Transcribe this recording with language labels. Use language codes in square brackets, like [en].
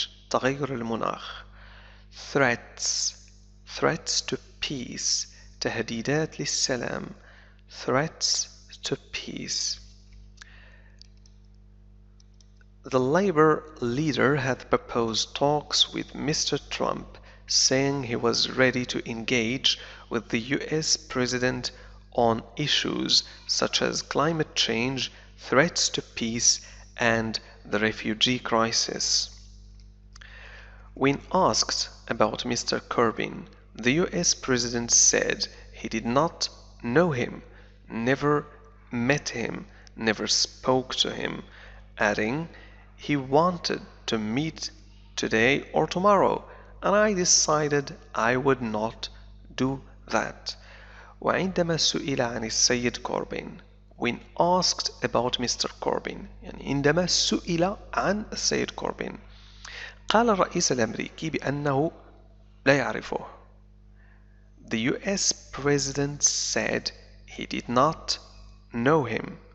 [ar] تغير المناخ [en] threats to peace [ar] تهديدات للسلام [en] threats to peace The labor leader had proposed talks with Mr. Trump, saying he was ready to engage with the US president on issues such as climate change, threats to peace, and the refugee crisis. When asked about Mr. Corbyn, the US president said he did not know him, never met him, never spoke to him, adding he wanted to meet today or tomorrow, and I decided I would not do that. [ar] وعندما سئل عن السيد كوربين, [en] when asked about Mr. [ar] Corbyn, يعني عندما سئل عن السيد كوربين, قال الرئيس الأمريكي بأنه لا يعرفه. [en] The US president said he did not know him.